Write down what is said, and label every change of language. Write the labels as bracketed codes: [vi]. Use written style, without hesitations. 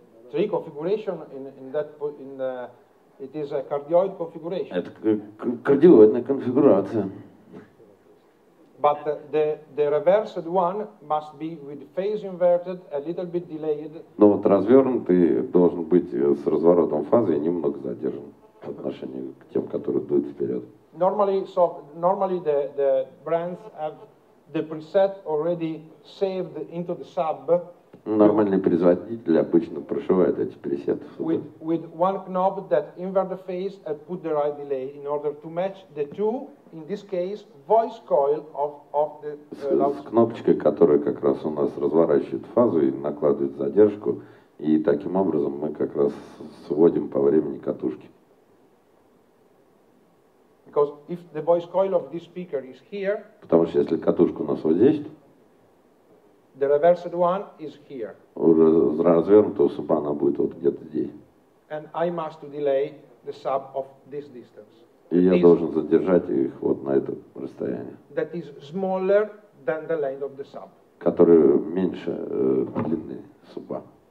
[en] Three configuration in that in the, it is a cardioid configuration. [ru] Это кардиоидная конфигурация. [en] But the reversed one must be with phase inverted, a little bit delayed. [ru] Но вот развернутый должен быть с разворотом фазы и немного задержан по отношению к тем, которые дуют вперед. [en] Normally, so normally the brands have the preset already saved into the sub. [ru] Нормальные производители обычно прошивают эти пресеты. [en] With one knob that invert the phase and put the right delay in order to match the two. In this case, voice coil of the [ru] с кнопочкой, которая как раз у нас разворачивает фазу и накладывает задержку, и таким образом мы как раз сводим по времени катушки. [en] Because if the voice coil of this speaker is here, [ru] потому что если катушка у нас вот здесь, [en] the reversed one is here. [ru] Уже развернутая суба она будет вот где-то здесь. [en] And I must delay the sub of this distance. [ru] И я должен задержать их вот на это расстояние. [en] That is smaller than the length of the sub. [ru] Которые меньше длины суба.